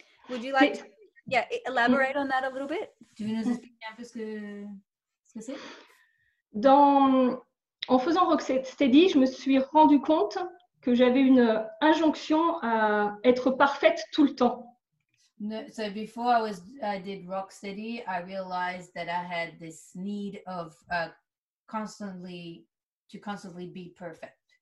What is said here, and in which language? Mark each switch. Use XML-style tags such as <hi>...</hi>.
<en>Would you like to elaborate on that a little bit?</en> <fr>Tu veux nous expliquer un peu ce que c'est? En faisant Rocksteady, je me suis rendu compte que j'avais une injonction à être parfaite tout le temps.</fr> <en>No, so before I did Rocksteady, I realized that I had this need of constantly be perfect.</en>